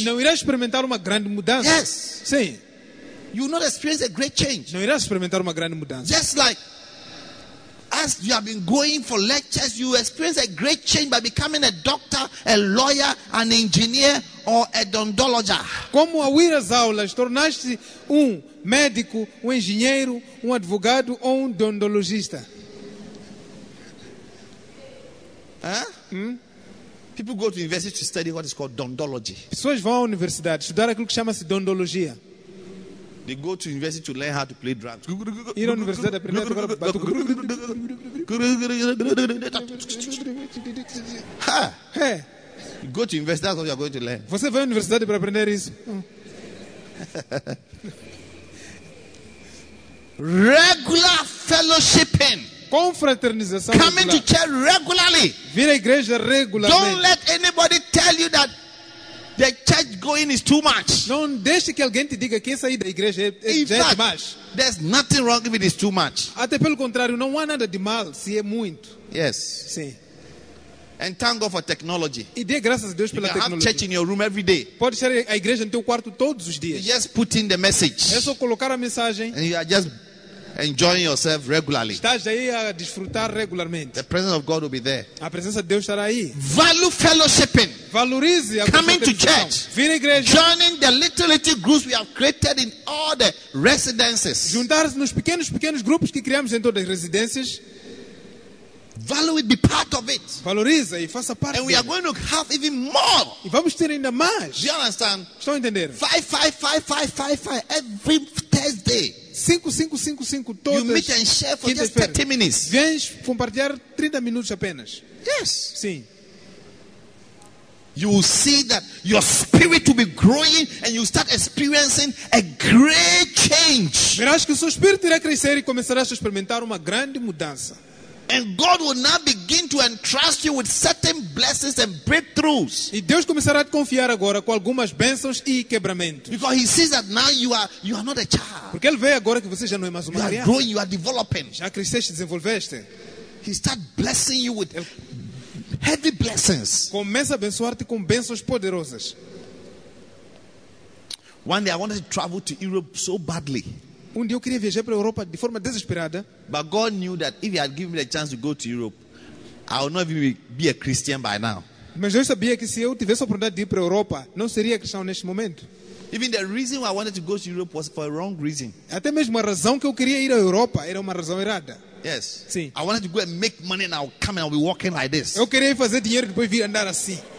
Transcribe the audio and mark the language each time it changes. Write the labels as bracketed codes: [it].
[pt] E não irás experimentar uma grande mudança. [en] Yes. [pt] Sim. [en] You will not experience a great change. [pt] Não irás experimentar uma grande mudança. [en] Just like as you have been going for lectures, you experience a great change by becoming a doctor, a lawyer, an engineer, or a odontologist. [pt] Como ao ir às aulas, tornaste médico, engenheiro, advogado ou odontologista? [en] People go to university to study what is called odontology. [pt] Pessoas vão à universidade estudar aquilo que chama-se odontologia. [en] They go to university to learn how to play drums. [pt] Ir à universidade aprender. [en] Go to university, that's what you're going to learn. [pt] Você vai à universidade para aprender isso. [en] Regular fellowshipping. [pt] Confraternização. [en] Coming to church regularly. [pt] Vir à igreja regularmente. [en] Don't let anybody tell you that the church going is too much. [pt] Não deixe que alguém te diga que sair da igreja é demais. [en] There's nothing wrong if it is too much. [pt] Até pelo contrário, não há nada de mal se é muito. [en] Yes. [pt] Sim. [en] And thank God for technology. [pt] E dê graças a Deus pela tecnologia. [en] You have church in your room every day. [pt] Pode ser a igreja no teu quarto todos os dias. [en] You just put in the message. [pt] É só colocar a mensagem. [en] And you are just enjoying yourself regularly. [pt] Estás aí a desfrutar regularmente. [en] The presence of God will be there. [pt] A presença de Deus estará aí. [en] Value fellowshipping. [pt] Valorize a [en] coming to church. [pt] Vir à igreja. [en] Joining the little groups we have created in all the residences. [pt] Juntar-se nos pequenos grupos que criamos em todas as residências. [en] Value it, be part of it. [pt] Valoriza e faça parte. [en] And we are going to have even more. [pt] E vamos ter ainda mais. [en] Do you understand? [pt] Estão a entender? [en] 5, 5, 5, 5, 5, 5 every Thursday. [pt] 5, 5, 5, 5 todas. [en] You meet and share for just 30 minutes. [pt] Vens compartilhar 30 minutos apenas. [en] Yes. [pt] Sim. [en] you will see that your spirit will be growing and you start experiencing a great change. [pt] Verás que o seu espírito irá crescer e começarás a experimentar uma grande mudança. [en] And God will now begin to entrust you with certain blessings and breakthroughs. [pt] E Deus começará a te confiar agora com algumas bênçãos e quebramentos. [en] Because He sees that now you are not a child. [pt] Porque Ele vê agora que você já não é mais uma criança. [en] You are growing, you are developing. [pt] Já cresceste, desenvolveste. [en] He starts blessing you with heavy blessings. [pt] Começa a abençoar-te com bênçãos poderosas. [en] One day I wanted to travel to Europe so badly. [pt] Um dia eu queria viajar para a Europa de forma desesperada. [en] But God knew that if He had given me the chance to go to Europe, I would not even be a Christian by now. [pt] Mas Deus sabia que se eu tivesse a oportunidade de ir para a Europa, não seria cristão neste momento. [en] Even the reason I wanted to go to Europe was for a wrong reason. [pt] Até mesmo a razão que eu queria ir à Europa era uma razão errada. [en] Yes. [pt] Sim. [en] I wanted to go and make money and I'll come and I'll be walking like this. [pt] Eu queria fazer dinheiro e depois vir andar assim.